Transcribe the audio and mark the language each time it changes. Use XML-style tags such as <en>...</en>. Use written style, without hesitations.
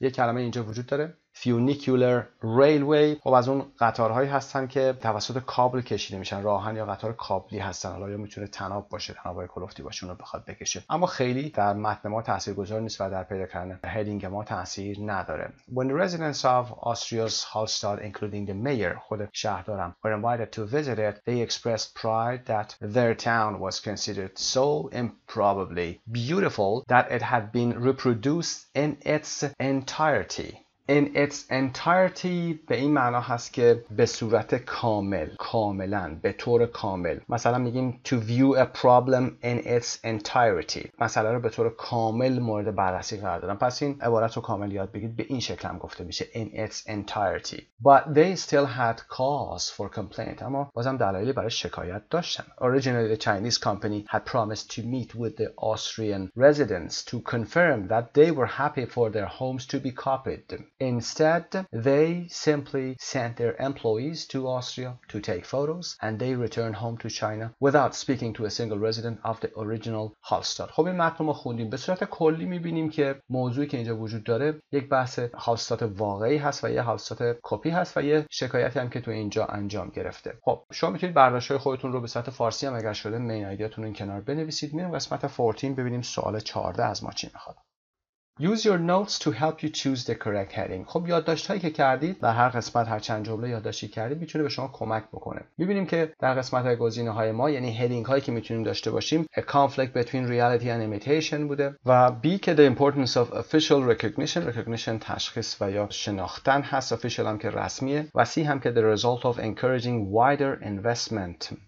<fa>یه کلمه اینجا وجود داره funicular railway. خب از اون قطارهایی هستن که توسط کابل کشیده میشن، راهن یا قطار کابلی هستن. حالا یا میتونه تناب باشه، تنابای کلوفتی باشه اونو بخواد بکشه، اما خیلی در متن ما تاثیرگذار نیست و در پیدا کردن هدینگ ما تاثیر نداره.</fa> <en>When the residents of Austria's Hallstatt including the mayor</en> <fa>خود شهردارم</fa> <en>were invited to visit it they expressed pride that their town was considered so improbably beautiful that it had been reproduced in its entirety. In its entirety</en> <fa>به این معنا هست که به صورت کامل، کاملا، به طور کامل. مثلا میگیم</fa> <en>to view a problem in its entirety،</en> <fa>مسئله رو به طور کامل مورد بررسی قرار دادن. پس این عبارت رو کامل یاد بگید، به این شکل هم گفته میشه in its entirety.</fa> <en>But they still had cause for complaint،</en> <fa>اما بازم دلایلی برای شکایت داشتن.</fa> <en>Originally the Chinese company had promised to meet with the Austrian residents to confirm that they were happy for their homes to be copied. Instead, they simply sent their employees to Austria to take photos and they returned home to China without speaking to a single resident of the original Hallstatt.</en> <fa>خب این متن رو ما خوندیم. به صورت کلی میبینیم که موضوعی که اینجا وجود داره یک بحث Hallstatt واقعی هست و یه Hallstatt کپی هست و یه شکایتی هم که تو اینجا انجام گرفته. خب شما میتونید برداشت‌های خودتون رو به صورت فارسی هم اگر شده مین ایدیاتون رو این کنار بنویسید. میریم قسمت 14 ببینیم سوال 14 از ما چی میخواد.</fa> <en>Use your notes to help you choose the correct heading.</en> <fa>خب یادداشتایی که کردید در هر قسمت، هر چند جمله یادداشتی کردید میتونه به شما کمک بکنه. میبینیم که در قسمت های گزینه های ما، یعنی هدینگ هایی که میتونیم داشته باشیم،</fa> <en>a conflict between reality and imitation</en> <fa>بوده و B که</fa> <en>the importance of official recognition،</en> <fa>recognition تشخیص و یا شناختن هست، official هم که رسمیه و C هم که</fa> <en>the result of encouraging wider investment</en>